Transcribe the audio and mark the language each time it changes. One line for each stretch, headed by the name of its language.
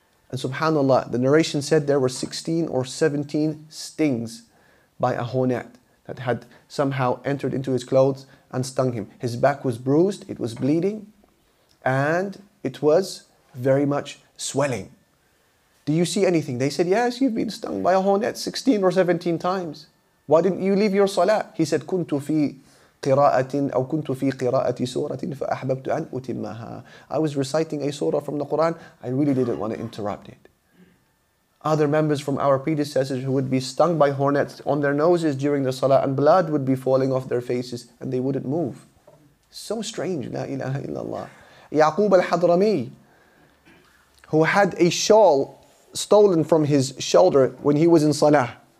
English: And subhanAllah, the narration said there were 16 or 17 stings by a hornet that had somehow entered into his clothes and stung him. His back was bruised, it was bleeding, and it was very much swelling. Do you see anything? They said, yes, you've been stung by a hornet 16 or 17 times. Why didn't you leave your salah? He said,
Arabic: كنت في قراءة سورة فأحببت أن أتمها.
English: I was reciting a surah from the Quran. I really didn't want to interrupt it. Other members from our predecessors who would be stung by hornets on their noses during the salah and blood would be falling off their faces and they wouldn't move. So strange. La ilaha illallah. Yaqub al-Hadrami, who had a shawl stolen from his shoulder when he was in salah.